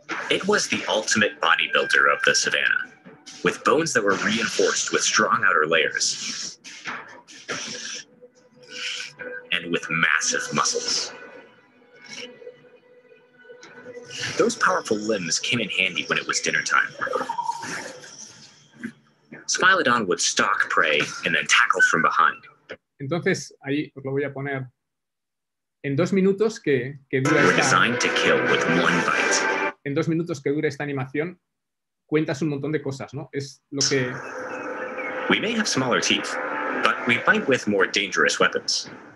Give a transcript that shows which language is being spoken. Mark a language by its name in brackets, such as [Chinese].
[English] It was the ultimate bodybuilder of the savannah, with bones that were reinforced with strong outer layers and with massive muscles. Those powerful limbs came in handy when it was dinner time. Smilodon would stalk prey and then tackle from behind. [Spanish] Entonces, ahí os lo voy a poner en 2 minutos que dura esta... [English] We're designed to kill with one bite. [Spanish] En 2 minutos que dura esta animación, cuentas un montón de cosas, ¿no? Es lo que... [English] We may have smaller teeth, but we fight with more dangerous weapons.